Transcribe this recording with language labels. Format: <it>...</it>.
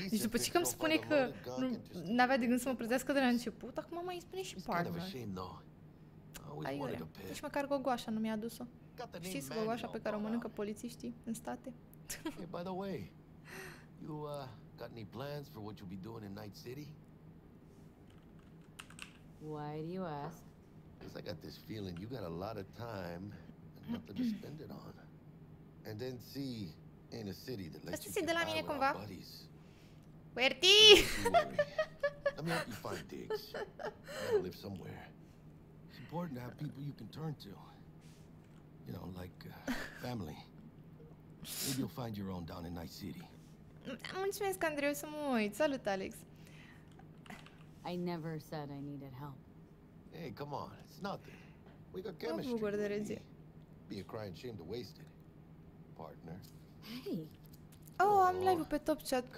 <ro>Deci după ce că îmi spune că n-avea de gând să mă plătească de la început, acum mai îi spune și partner. Aiurea. Nici măcar gogoașa nu mi-a adus-o. Știți gogoașa pe care o mănâncă polițiștii în state?</ro> <en>Hey, by the way, you got any plans for what you'll be doing in Night City? Why do you ask? Because I got this feeling you got a lot of time and nothing to spend it on. And then see... In a city that lets you get by with our buddies. Werti! Let me help you find digs. I live somewhere. It's important to have people you can turn to. You know, like family. Maybe you'll find your own down in Night City.</en> <ro>Mulțumesc, Andreu, să mă uit. Salut, Alex.</ro> <en>I never said I needed help. Hey, come on. It's nothing. We got chemistry. Be a crying shame to waste it, partner. Hey.</en> <ro>Oh, am live-ul pe top chat.</ro>